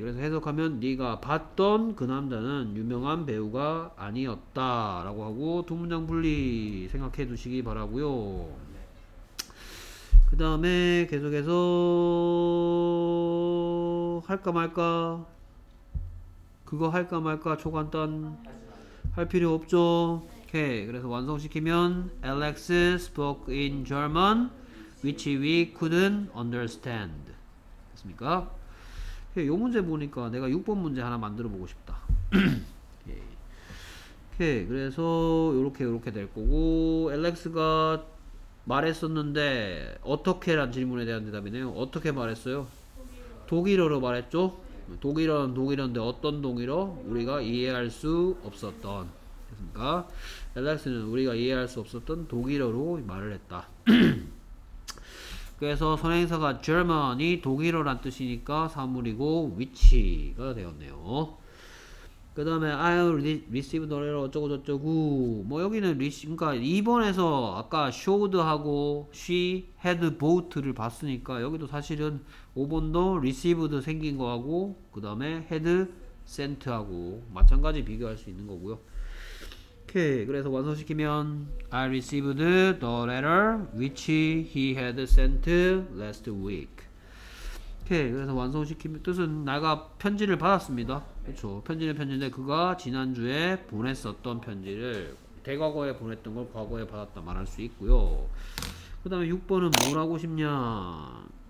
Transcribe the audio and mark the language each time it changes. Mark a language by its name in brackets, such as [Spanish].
[Korean] 그래서 해석하면 네가 봤던 그 남자는 유명한 배우가 아니었다라고 하고 두 문장 분리 생각해 두시기 바라고요. 그 다음에 계속해서 할까 말까 그거 할까 말까 초간단 할 필요 없죠. 오케이. 그래서 완성시키면 [English] Alex spoke in German which we couldn't understand. [Korean] 됐습니까? 이 문제 보니까 내가 6번 문제 하나 만들어 보고 싶다. 오케이. 오케이. 그래서 요렇게 요렇게 될 거고 엘렉스가 말했었는데 어떻게란 질문에 대한 대답이네요. 어떻게 말했어요? 독일어로 말했죠. 독일어는 독일어인데 어떤 독일어? 우리가 이해할 수 없었던. 그러니까 엘렉스는 우리가 이해할 수 없었던 독일어로 말을 했다. 그래서 선행사가 German이 독일어란 뜻이니까 사물이고 위치가 되었네요. 그 다음에 I received the letter 어쩌고저쩌고 뭐 여기는 그러니까 2번에서 아까 showed 하고 she had bought를 봤으니까 여기도 사실은 5번도 received 생긴 거하고 그 다음에 had sent 하고 마찬가지 비교할 수 있는 거고요. 오케이. 그래서 완성시키면 [English] I received the letter which he had sent last week. [Korean] 오케이. 그래서 완성시키면 뜻은 내가 편지를 받았습니다. 그렇죠. 편지는 편지인데 그가 지난주에 보냈었던 편지를 대과거에 보냈던 걸 과거에 받았다 말할 수 있고요. 그 다음에 6번은 뭘 하고 싶냐?